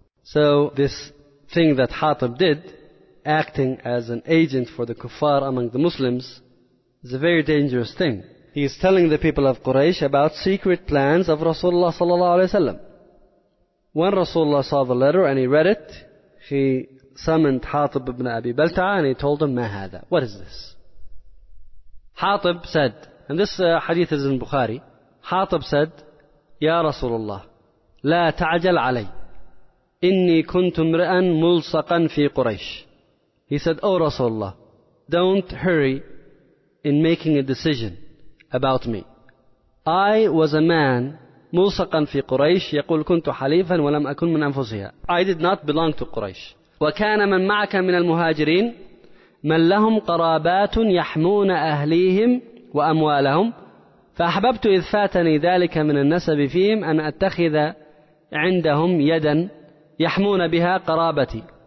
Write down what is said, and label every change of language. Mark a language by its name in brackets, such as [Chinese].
[English] So this thing that Hatib did, acting as an agent for the kuffar among the Muslims, is a very dangerous thing. He is telling the people of Quraysh about secret plans of Rasulullah Sallallahu Alaihi Wasallam. When Rasulullah saw the letter and he read it, he summoned Hatib ibn Abi Balta'a and he told him, [Arabic] مَا هَذَا? [English] What is this? Hatib said, and this hadith is in Bukhari, Hatib said, [Arabic] يَا رَسُولُ اللَّهِ لَا تَعْجَلْ عَلَيْ إِنِّي كُنْتُ مْرِئًا مُلْصَقًا فِي قُرَيْشِ. [English] He said, O Rasulullah, don't hurry in making a decision about me. I was a man, [Arabic] مُلْصَقًا فِي قُرَيْشِ يَقُلْ كُنْتُ حَلِيفًا وَلَمْ أَكُنْ مِنْ أَنفُسِهَا. [English] I did not belong to Quraysh. [Arabic] وَكَانَ مَنْ مَعَكَ مِنَ الْمُهَاجِرِينَ مَنْ لَهُمْ قَرَابَاتٌ يَحْمُونَ أَهْلِيهِمْ وَأَمْوَالَهُمْ فَأَحْبَبْتُ إِذْ فَاتَنِي ذَلِكَ مِنَ النَّسَبِ فِيهِمْ أَنْ أَتَّخِذَ عِنْدَهُمْ يَدًا يَحْمُونَ بِهَا قَرَابَتِي.